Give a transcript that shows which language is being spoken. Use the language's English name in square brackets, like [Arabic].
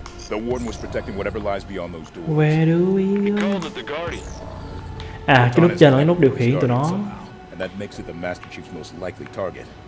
[English] The warden was protecting whatever lies beyond those doors. Where do we go? [Vietnamese] À, cái nút chờ nó, cái nút điều khiển tụi nó. [English] And that makes it the Master Chief's most likely target.